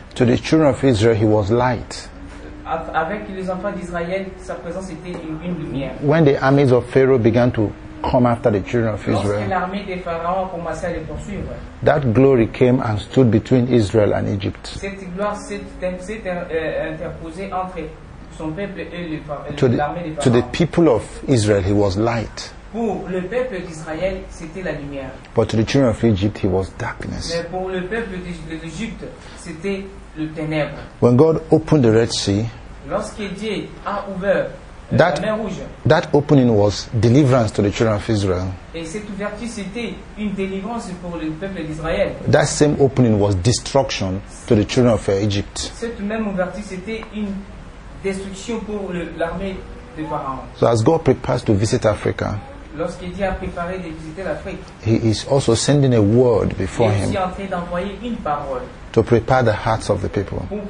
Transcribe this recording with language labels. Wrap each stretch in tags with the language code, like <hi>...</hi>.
<en>To the children of Israel, He was light.</en> <fr>Avec les enfants d'Israël, sa présence était une lumière.</fr> <en>When the armies of Pharaoh began to come after the children of Israel,</en> <fr>l'armée des pharaons commençait à les poursuivre,</fr> <en>that glory came and stood between Israel and Egypt.</en> <fr>Cette gloire s'est interposée entre son peuple et l'armée des pharaons.</fr> <en>To the people of Israel, He was light.</en> <fr>Pour le peuple d'Israël, c'était la lumière.</fr> <en>But to the children of Egypt, He was darkness.</en> <fr>Mais pour le peuple d'Égypte, c'était le ténèbre.</fr> <en>When God opened the Red Sea,</en> <fr>lorsque Dieu a ouvert la mer Rouge,</fr> <en>that opening was deliverance to the children of Israel.</en> <fr>Et cette ouverture, c'était une délivrance pour le peuple d'Israël.</fr> <en>That same opening was destruction to the children of Egypt.</en> <fr>Cette même ouverture, c'était une destruction pour l'armée.</fr> <en>So as God prepares to visit Africa, He is also sending a word before Him to prepare the hearts of the people.</en>